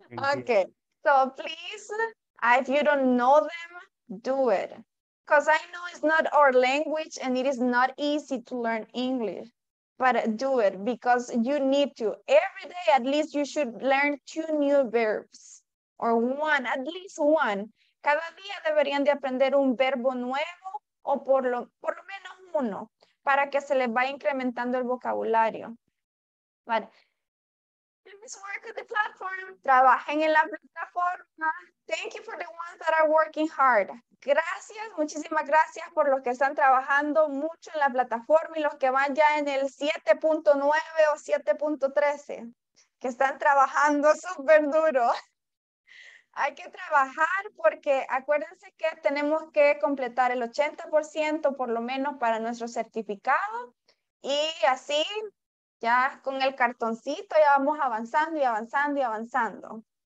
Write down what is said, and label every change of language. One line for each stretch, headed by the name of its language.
English: Okay, so please, if you don't know them, do it. Because I know it's not our language and it is not easy to learn English. But do it because you need to. Every day, at least you should learn 2 new verbs. Or one, at least one.
Spanish: Cada día deberían de aprender un verbo nuevo o por lo menos uno para que se les vaya incrementando el vocabulario.
English: But please work at the platform.
Spanish: Trabajen en la plataforma.
English: Thank you for the ones that are working hard.
Spanish: Gracias, muchísimas gracias por los que están trabajando mucho en la plataforma y los que van ya en el 7.9 o 7.13, que están trabajando súper duro. Hay que trabajar porque acuérdense que tenemos que completar el 80% por lo menos para nuestro certificado y así ya con el cartoncito ya vamos avanzando y avanzando y avanzando.